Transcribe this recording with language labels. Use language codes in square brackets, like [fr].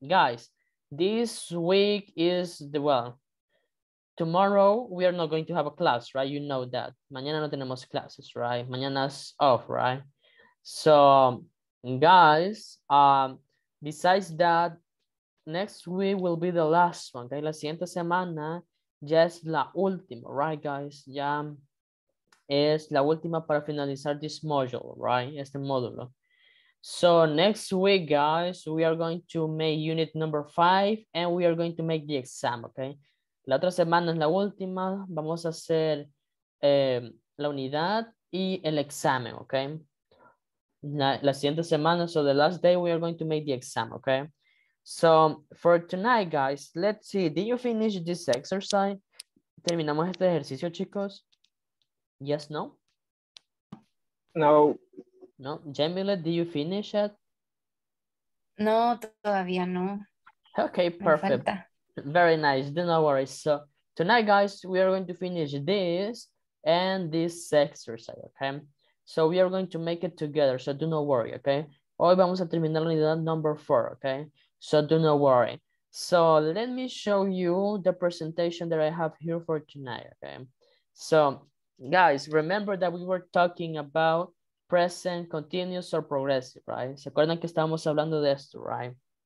[en] Guys, this week is the, well, tomorrow we are not going to have a class, right? You know that. [es] Mañana no tenemos clases, [en] right? Mañana's off, right? So guys, besides that, next week will be the last one. [es] Okay, la siguiente semana ya es la última, right, guys? Ya es la última para finalizar [en] this module, [es] right? Este módulo. [en] So next week, guys, we are going to make unit number 5 and we are going to make the exam, okay? [es] La otra semana es la última. Vamos a hacer la unidad y el examen, okay? La siguiente semana, [en] so the last day we are going to make the exam, okay? So for tonight, guys, let's see. Did you finish this exercise? [es] ¿Terminamos este ejercicio, chicos? Yes, no? No. [en] No, Jamila, did you finish it? [es] No, todavía no. [en] Okay, perfect. Very nice, do not worry. So tonight, guys, we are going to finish this and this exercise, okay? So we are going to make it together, so do not worry, okay? [es] Hoy vamos a terminar la unidad [en] number 4, okay? So do not worry. So let me show you the presentation that I have here for tonight, okay? So guys, remember that we were talking about present, continuous, or progressive, right? [es] ¿Se acuerdan que estábamos hablando de esto, right?